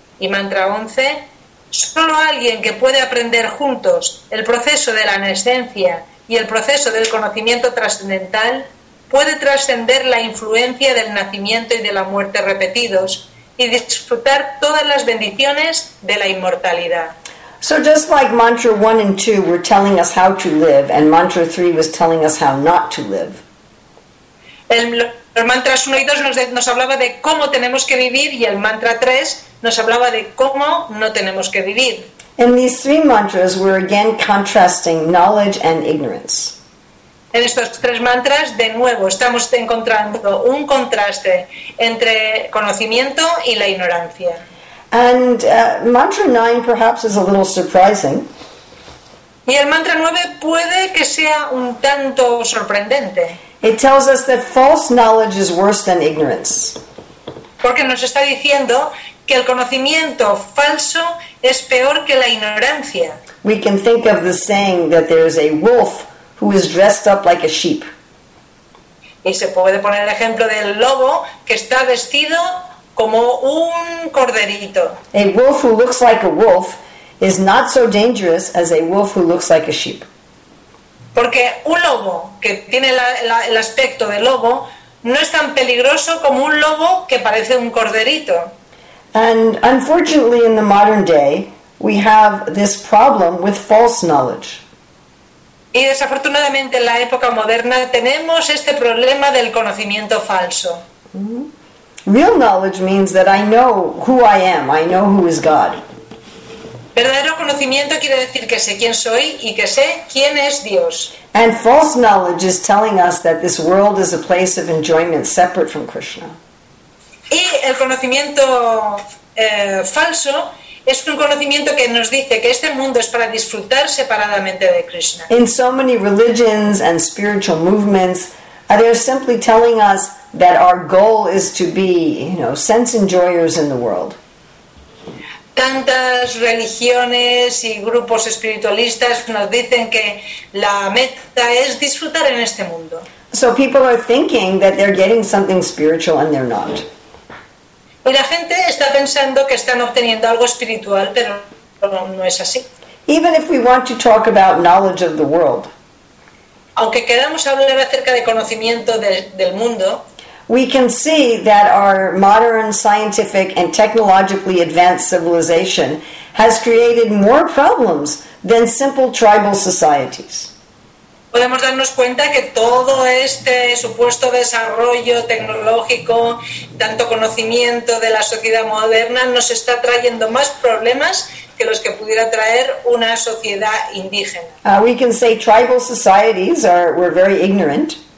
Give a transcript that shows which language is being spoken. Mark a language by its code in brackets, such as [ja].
[es] Y mantra 11. Solo alguien que puede aprender juntos el proceso de la nesciencia y el proceso del conocimiento trascendental puede trascender la influencia del nacimiento y de la muerte repetidos y disfrutar todas las bendiciones de la inmortalidad. [en] So just like mantra 1 and 2 were telling us how to live, and mantra 3 was telling us how not to live. [es] Los mantras 1 y 2 nos hablaba de cómo tenemos que vivir, y el mantra 3 nos hablaba de cómo no tenemos que vivir. [en] In these three mantras, we're again contrasting knowledge and ignorance. [es] En estos tres mantras, de nuevo, estamos encontrando un contraste entre conocimiento y la ignorancia. [en] And mantra 9 perhaps is a little surprising. [es] Y el mantra 9 puede que sea un tanto sorprendente. [en] It tells us that false knowledge is worse than ignorance. [es] porque nos está diciendo que el conocimiento falso es peor que la ignorancia. [en] We can think of the saying that there is a wolf who is dressed up like a sheep. [es] Y se puede poner el ejemplo del lobo que está vestido como un corderito. [en] A wolf who looks like a wolf is not so dangerous as a wolf who looks like a sheep. [es] Porque un lobo que tiene el aspecto de lobo no es tan peligroso como un lobo que parece un corderito. [en] And unfortunately in the modern day we have this problem with false knowledge. [es] Y desafortunadamente en la época moderna tenemos este problema del conocimiento falso. [en] Real knowledge means that I know who I am, I know who is God. [es] Verdadero conocimiento quiere decir que sé quién soy y que sé quién es Dios. [en] And false knowledge is telling us that this world is a place of enjoyment separate from Krishna. [es] Y el conocimiento falso es un conocimiento que nos dice que este mundo es para disfrutar separadamente de Krishna. [en] In so many religions and spiritual movements, they're simply telling us that our goal is to be, you know, sense enjoyers in the world. [es] Tantas religiones y grupos espiritualistas nos dicen que la meta es disfrutar en este mundo. [en] So people are thinking that they're getting something spiritual and they're not. [es] Y la gente está pensando que están obteniendo algo espiritual, pero no es así. [en] Even if we want to talk about knowledge of the world, [es] aunque queramos hablar acerca de conocimiento del mundo, [en] we can see that our modern scientific and technologically advanced civilization has created more problems than simple tribal societies. [es] Podemos darnos cuenta que todo este supuesto desarrollo tecnológico, tanto conocimiento de la sociedad moderna, nos está trayendo más problemas que los que pudiera traer una sociedad indígena. [en] We can say tribal societies are, we're very ignorant.